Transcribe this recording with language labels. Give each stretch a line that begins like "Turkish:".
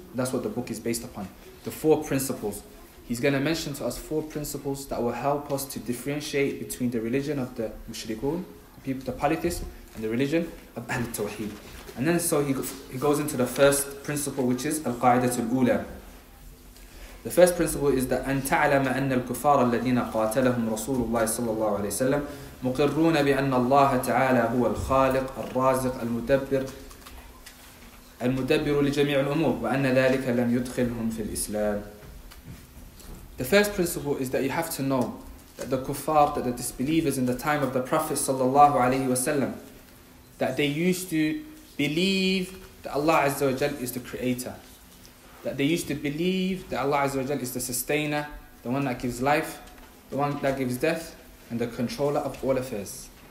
English: That's what the book is based upon. The four principles. He's going to mention to us four principles that will help us to differentiate between the religion of the mushrikun, the people, the polytheists, and the religion of al-tawheed. And then so he goes into the first principle, which is al-qa'idatul ula. The first principle is that
Arabic: أن تعلم أن الكفار الذين قاتلهم رسول الله صلى الله عليه وسلم مقرون بأن الله تعالى هو الخالق الرازق المدبر لجميع الأمور وأن ذلك لم يدخلهم في الإسلام.
English: The first principle is that you have to know that the kuffar, that the disbelievers in the time of the Prophet صلى الله عليه وسلم, that they used to believe that Allah عز وجل is the creator. That they used to believe that Allah Azza wa Jalla is the sustainer, the one that gives life, the one that gives death, and the controller of all affairs.